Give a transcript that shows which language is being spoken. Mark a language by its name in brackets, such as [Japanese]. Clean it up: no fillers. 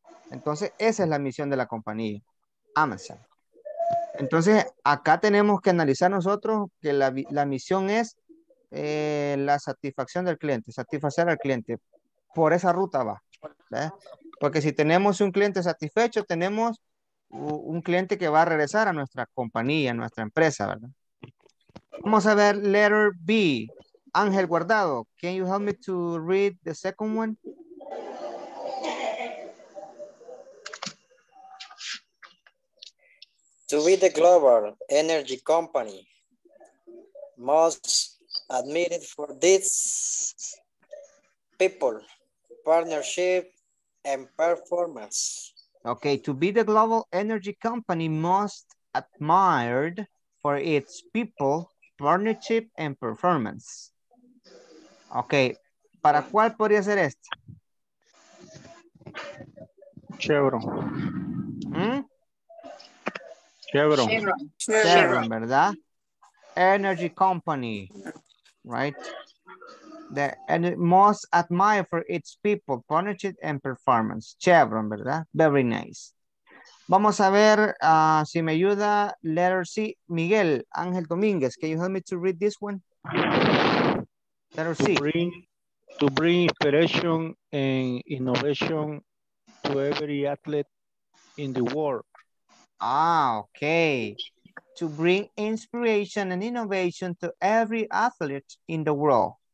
[Spanish] Entonces, esa es la misión de la compañía, Amazon. Entonces, acá tenemos que analizar nosotros que la misión es la satisfacción del cliente, satisfacer al cliente. Por esa ruta va, ¿verdad? Porque si tenemos un cliente satisfecho, tenemos un cliente que va a regresar a nuestra compañía, a nuestra empresa, ¿verdad? Vamos a ver [English] letter B. Ángel Guardado, can you help me to read the second one? To be the global energy company most admitted for this people, partnership and performance. Okay, to be the global energy company most admired for its people, partnership and performance. [Spanish] Ok, ¿para cuál podría ser esta? Chevron. ¿Mm? Chevron. [English] Chevron. Chevron, ¿verdad? Energy company, right? The and most admired for its people, partnership and performance. Chevron, ¿verdad? Very nice. [Spanish] Vamos a ver si me ayuda [English] letter C. Miguel Ángel Domínguez, can you help me to read this one? Letter C. To bring inspiration and innovation to every athlete in the world. Ah, okay. To bring inspiration and innovation to every athlete in the world.